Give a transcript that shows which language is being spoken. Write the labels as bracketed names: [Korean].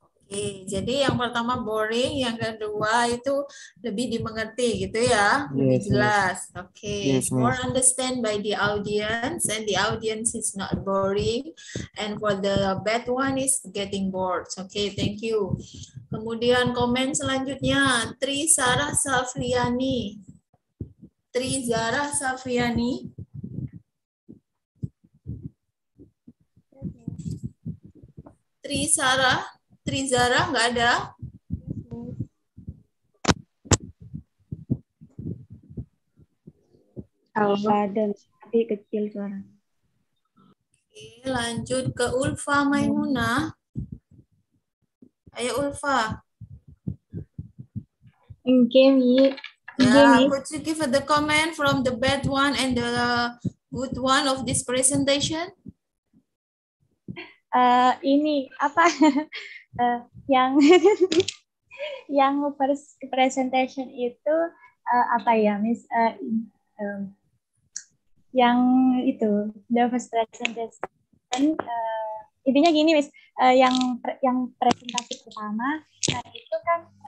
[Indonesian] Oke, jadi yang pertama boring, yang kedua itu lebih dimengerti gitu ya, lebih jelas. Miss. [English] Okay, yes, more understand by the audience and the audience is not boring and for the bad one is getting bored. Okay, thank you. [Indonesian] Kemudian komen selanjutnya, Tri Zara Safriani. Tri Zara Safriani. Tri Zara, Tri Zara enggak ada? Alfa dan tapi kecil suara. Oke, lanjut ke Ulfa Maimuna. Ayo Ulfa. [English] Okay, could you give the comment from the bad one and the good one of this presentation? [Indonesian] Ini apa yang yang presentation itu apa ya Miss yang itu [English] the first presentation [Indonesian] intinya gini Miss yang presentasi pertama nah itu kan